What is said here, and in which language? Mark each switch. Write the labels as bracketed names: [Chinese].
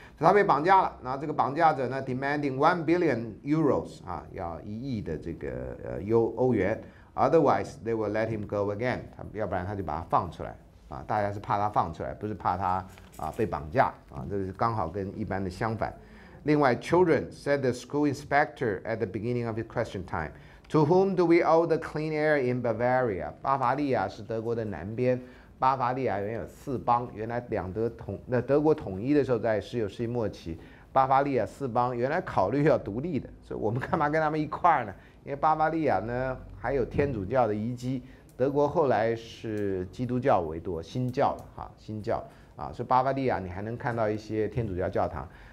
[Chinese] 他被绑架了，那这个绑架者呢 ， [English] demanding 1 billion euros [Chinese] 啊，要1亿的这个欧元 ， [English] otherwise they will let him go again， [Chinese] 他要不然他就把他放出来啊。大家是怕他放出来，不是怕他啊被绑架啊，这是刚好跟一般的相反。另外 [English] ，children said the school inspector at the beginning of his question time。 To whom do we owe the clean air in Bavaria? [Chinese] 巴伐利亚是德国的南边，巴伐利亚原有四邦，原来两德统，那德国统一的时候在十九世纪末期，巴伐利亚四邦原来考虑要独立的，所以我们干嘛跟他们一块呢？因为巴伐利亚呢还有天主教的遗迹，德国后来是基督教为多，新教了哈，新教啊，所以巴伐利亚你还能看到一些天主教教堂。